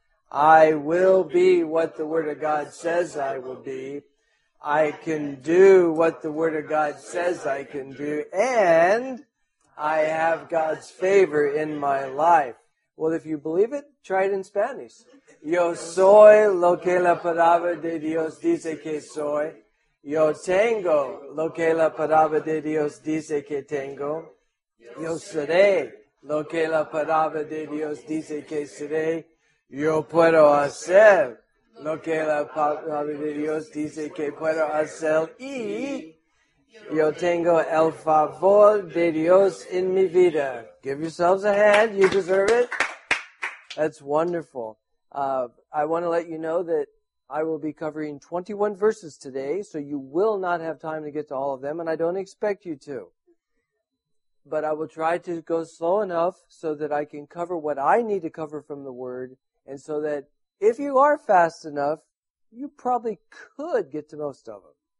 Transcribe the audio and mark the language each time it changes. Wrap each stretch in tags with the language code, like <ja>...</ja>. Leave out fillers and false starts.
<en>I will be what the Word of God says I will be. I can do what the Word of God says I can do. And I have God's favor in my life. Well, if you believe it, try it in Spanish.</en> <es>Yo soy lo que la palabra de Dios dice que soy. Yo tengo lo que la palabra de Dios dice que tengo. Yo seré lo que la palabra de Dios dice que seré. Yo puedo hacer lo que la palabra de Dios dice que puedo hacer. Y yo tengo el favor de Dios en mi vida.</es> <en>Give yourselves a hand. You deserve it. That's wonderful. I want to let you know that I will be covering 21 verses today, so you will not have time to get to all of them, and I don't expect you to. But I will try to go slow enough so that I can cover what I need to cover from the Word, and so that if you are fast enough, you probably could get to most of them.</en>